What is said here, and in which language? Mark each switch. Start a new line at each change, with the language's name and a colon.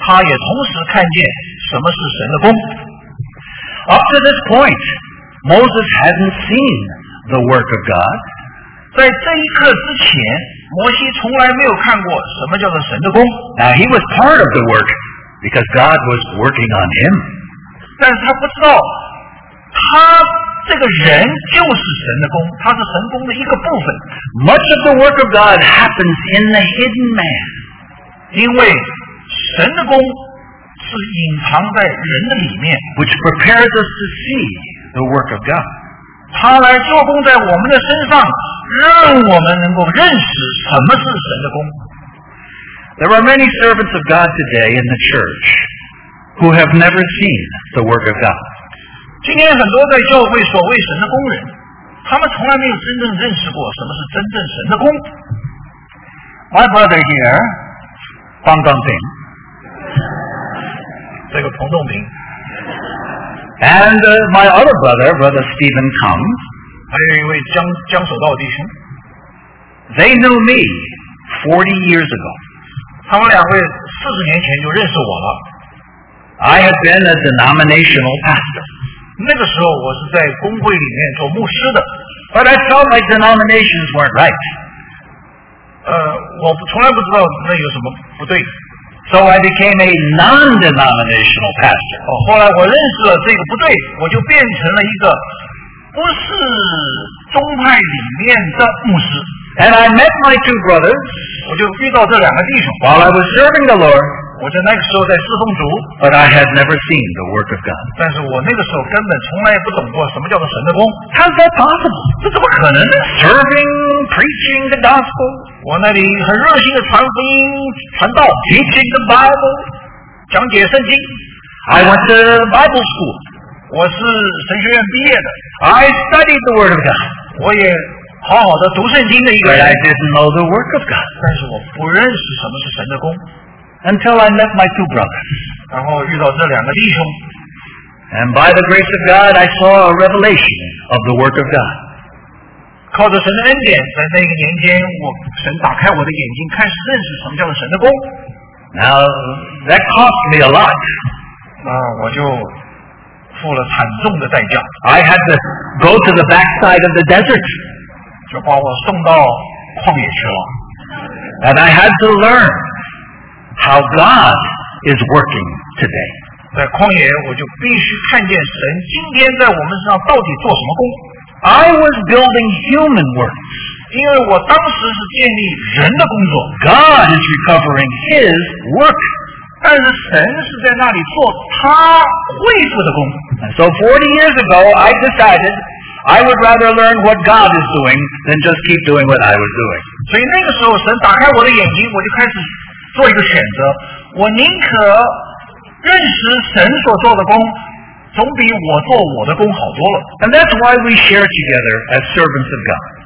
Chinese: 他在那一刻，他看见做工的神，他也同时看见什么是神的工。
English: Up to this point, Moses hadn't seen the work of God.
Chinese: 在这一刻之前，摩西从来没有看过什么叫做神的工。
English: Now he was part of the work because God was working on him.
Chinese: 但是他不知道，他这个人就是神的工，他是神工的一个部分。
English: Much of the work of God happens in the hidden man.
Chinese: 因为神的工是隐藏在人的里面
English: which prepares us to see the work of God.
Chinese: 他来做工在我们的身上，让我们能够认识什么是神的工。
English: There are many servants of God today in the church who have never seen the work of God.
Chinese: 今天很多在教会所谓神的工人，他们从来没有真正认识过什么是真正神的工。
English: My brother here,
Chinese: 方刚平，这个彭仲平。
English: And my other brother, Brother Stephen Kung,
Chinese: 还有一位江守道弟兄。
English: They knew me 40 years ago.
Chinese: 他们两位四十年前就认识我了。
English: I have been a denominational pastor.
Chinese: 那个时候我是在公会里面做牧师的。
English: But I felt my denominations weren't right.
Chinese: 我从来不知道那有什么不对。
English: So I became a non-denominational pastor.
Chinese: 后来我认识了这个不对，我就变成了一个不是宗派里面的牧师。
English: And I met my two brothers.
Chinese: 我就遇到这两个弟兄。
English: While I was serving the Lord,
Chinese: 我在那个时候在侍奉主。
English: But I had never seen the work of God.
Chinese: 但是我那个时候根本从来不懂过什么叫做神的工。
English: How's that possible?
Chinese: 这怎么可能呢？
English: Serving, preaching the gospel.
Chinese: 我那里很热心的传福音、传道。
English: Teaching the Bible.
Chinese: 讲解圣经。
English: I went to Bible school.
Chinese: 我是神学院毕业的。
English: I studied the word of God.
Chinese: 我也好好的读圣经的一个人。
English: But I didn't know the work of God.
Chinese: 但是我不认识什么是神的工。
English: Until I met my two brothers.
Chinese: 然后遇到这两个弟兄。
English: And by the grace of God, I saw a revelation of the work of God.
Chinese: 靠着神的恩典，在那个年间，神打开我的眼睛，开始认识什么叫做神的工。
English: Now, that cost me a lot.
Chinese: 那我就付了惨重的代价。
English: I had to go to the backside of the desert.
Chinese: 就把我送到旷野去了。
English: And I had to learn how God is working today.
Chinese: 在旷野我就必须看见神今天在我们身上到底做什么工。
English: I was building human works.
Chinese: 因为我当时是建立人的工作。
English: God is recovering his work.
Chinese: 但是神是在那里做他恢复的工。
English: And so 40 years ago, I decided,I would rather learn what God is doing than just keep doing what I was doing.
Chinese: 所以那个时候神打开我的眼睛，我就开始做一个选择。我宁可认识神所做的工，总比我做我的工好多了。
English: And that's why we share together as servants of God.